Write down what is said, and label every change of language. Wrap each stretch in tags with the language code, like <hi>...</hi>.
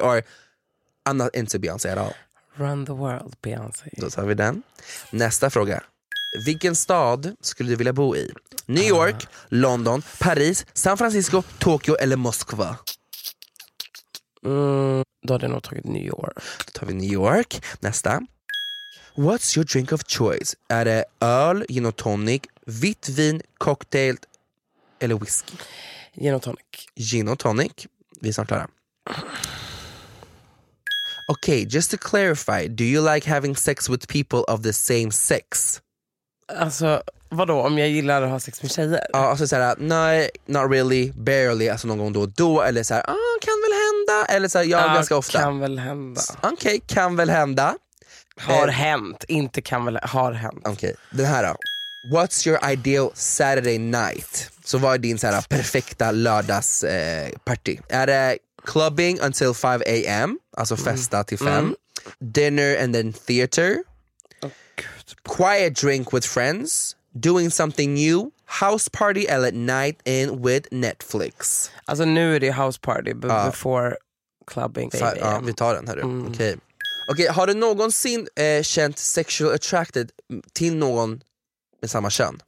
<en>Or I'm not into Beyoncé at all. Run the world, Beyoncé.</en> <sv>Då tar vi den. Nästa fråga. Vilken stad skulle du vilja bo i? New York, London, Paris, San Francisco, Tokyo eller Moskva? Då hade jag nog tagit New York. Då tar vi New York. Nästa.</sv> <en>What's your drink of choice?</en> <sv>Är det öl, gin och tonic, vitt vin, cocktail eller whisky? Gin och tonic. Gin och tonic. Vi är snart klara.</sv> <en>Okay, just to clarify, do you like having sex with people of the same sex?</en> <sv>Alltså, vadå, om jag gillar att ha sex med tjejer? Ja, alltså såhär, nej,</sv> <en>not really, barely,</en> <sv>alltså någon gång då, eller såhär, kan väl hända, eller såhär, jag ganska ofta. Kan väl hända. Okej, kan väl hända. Har hänt, inte kan väl, har hänt. Okej, den här då.</sv> <en>What's your ideal Saturday night?</en> <sv>Så vad är din såhär perfekta lördags party? Är det...</sv> <en>clubbing until 5 a.m.</en> <sv>Alltså festa till 5.</sv> <en>Dinner and then theater. Quiet drink with friends. Doing something new. House party eller night in with Netflix.</en> <sv>Alltså nu är det</sv> <en>house party before clubbing.</en> <sv>Vi tar den här. Okej, har du någonsin känt</sv> <en>sexual attracted</en> <sv>till någon med samma kön?</sv>